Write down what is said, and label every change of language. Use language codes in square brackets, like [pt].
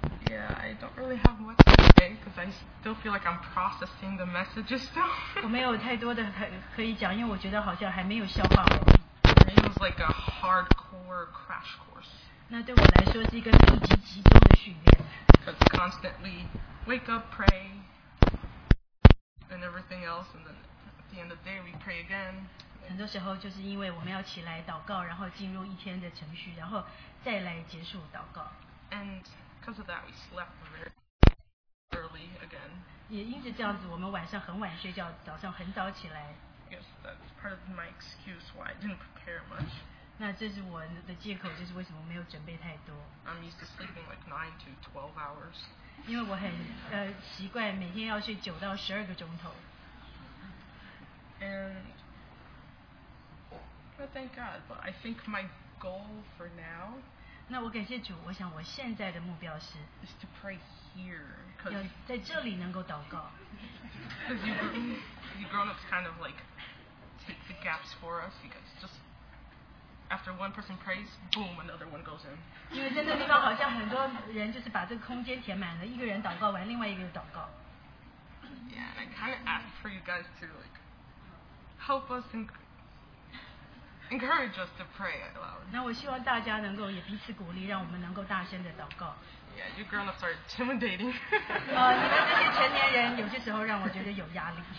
[en] Yeah, I don't really have much to say because I still feel like I'm processing the messages still. [zh] 我没有太多的可以讲，因为我觉得好像还没有消化完。 [en] It's like a hardcore crash course. [zh] 那对我来说是一个密集集中的训练。 [en] Because constantly wake up, pray, and everything else, and then at the end of the day we pray again. [zh] 很多时候就是因为我们要起来祷告，然后进入一天的程序，然后再来结束祷告。 [en] And because of that, we slept very early again. [zh] 也因此这样子，我们晚上很晚睡觉，早上很早起来. [en] Yes, that's part of my excuse why I didn't prepare much. [zh] 那这是我的借口，就是为什么没有准备太多. [en] I'm used to sleeping like 9 to 12 hours. [zh] 因为我很习惯每天要睡9到12个钟头. [en] And thank God, but I think my goal for now. [zh] 那我感谢主，我想我现在的目标是 [en] is to pray here, [zh] 要在这里能够祷告. [en] Because you grown-ups kind of like take the gaps for us, because just after one person prays, boom, another one goes in. [zh] 因为在那地方好像很多人就是把这个空间填满了，一个人祷告完，另外一个人祷告. [en] Yeah, and I kind of ask for you guys to like help us and encourage us to pray out loud. [zh] 那我希望大家能够也彼此鼓励，让我们能够大声的祷告. [en] Yeah, you grown-ups are intimidating. [zh] 你们这些成年人有些时候让我觉得有压力.